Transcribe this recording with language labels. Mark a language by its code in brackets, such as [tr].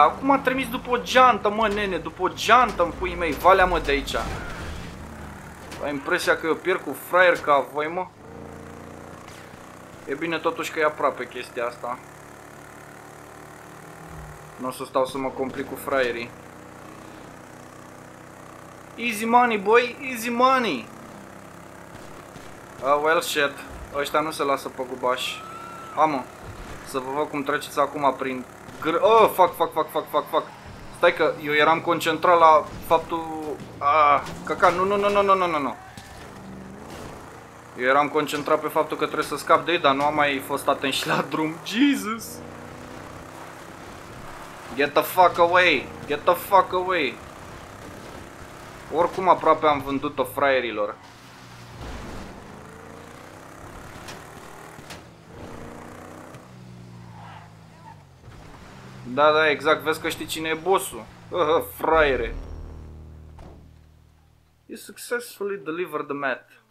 [ro] Acum m-a trimis după o geantă, mă, nene, după o geantă, în puii mei, valea-mă de aici. Ai impresia că eu pierd cu fraier ca voi, mă? E bine totuși că e aproape chestia asta. Nu o să stau să mă complic cu fraierii. [en] Easy money, boy, easy money. Oh, well, shit. [ro] Ăștia nu se lasă pe gubași. Ha, mă. Să vă văd cum treceți acum prin gr... [en] Oh, fuck. [ro] Stai că eu eram concentrat la faptul... Ah, caca, nu. Eu eram concentrat pe faptul că trebuie să scap de ei, dar nu am mai fost atent și la drum. Jesus! [en] Get the fuck away! Get the fuck away! [ro] Oricum aproape am vândut-o fraierilor. Da, da, exact, vezi că știi cine e bossul. Fraiere. [en] You successfully delivered the mat.